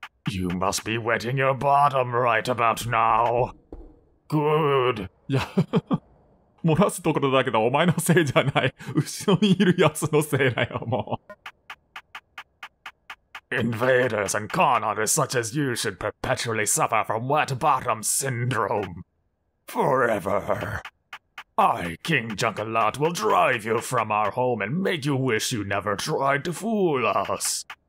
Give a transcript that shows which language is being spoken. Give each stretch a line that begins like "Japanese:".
English: You must be wetting your bottom right about now. Good.
Japanese: いや、漏らすところだけど、お前のせいじゃない。後ろにいるやつのせいだよ、もう。
English: Invaders and con artists such as you should perpetually suffer from wet bottom syndrome. Forever. I, King Junkalot, will drive you from our home and make you wish you never tried to fool us.